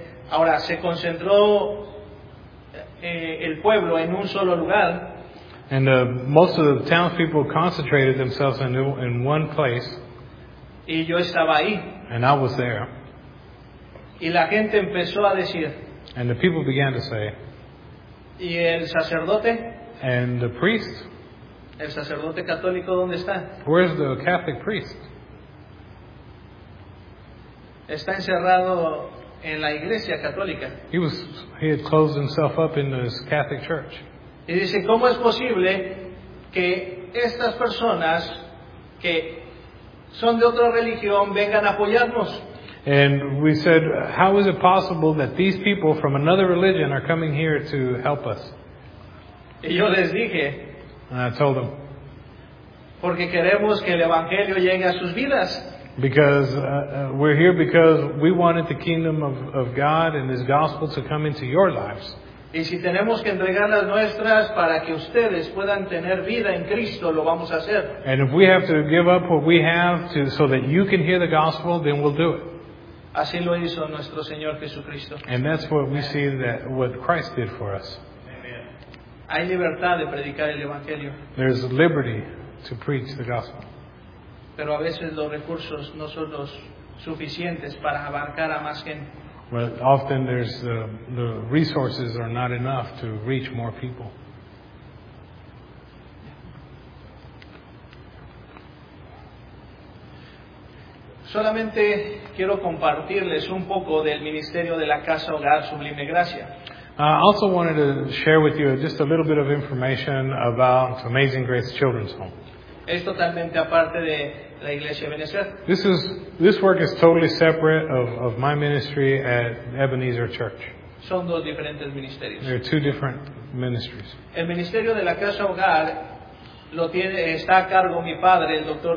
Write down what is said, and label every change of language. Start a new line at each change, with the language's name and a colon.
Spanish: Ahora se concentró el pueblo en un solo lugar.
English: And most of the townspeople concentrated themselves in one place.
Spanish: Y yo estaba ahí.
English: And I was there.
Spanish: Y la gente empezó a decir.
English: And the people began to say.
Spanish: Y el sacerdote.
English: And the priest.
Spanish: El sacerdote católico, ¿dónde está?
English: Where's the Catholic priest?
Spanish: Está encerrado en la iglesia católica.
English: He had closed himself up in his Catholic church.
Spanish: Y dice, ¿cómo es posible que estas personas que son de otra religión vengan a apoyarnos?
English: And we said, how is it possible that these people from another religion are coming here to help us?
Spanish: Y yo les dije,
English: and I told them,
Spanish: porque queremos que el evangelio llegue a sus vidas.
English: Because we're here because we wanted the kingdom of God and his gospel to come into your lives.
Spanish: Y si tenemos que entregar las nuestras para que ustedes puedan tener vida en Cristo, lo vamos a hacer.
English: And if we have to give up what we have to so that you can hear the gospel, then we'll do it.
Spanish: Así lo hizo nuestro Señor Jesucristo.
English: And that's what we see that what Christ did for us.
Spanish: Amen. Hay libertad de predicar el evangelio.
English: There's liberty to preach the gospel.
Spanish: Pero a veces los recursos no son los suficientes para abarcar a más gente.
English: But often there's the resources are not enough to reach more people.
Spanish: Solamente quiero compartirles un poco del ministerio de la Casa Hogar Sublime Gracia.
English: I also wanted to share with you just a little bit of information about Amazing Grace Children's Home.
Spanish: Es totalmente aparte de la Iglesia Ebenezer.
English: This work is totally separate of my ministry at Ebenezer Church.
Spanish: Son dos diferentes ministerios.
English: They're two different ministries.
Spanish: El ministerio de la Casa Hogar está a cargo mi padre, el Dr.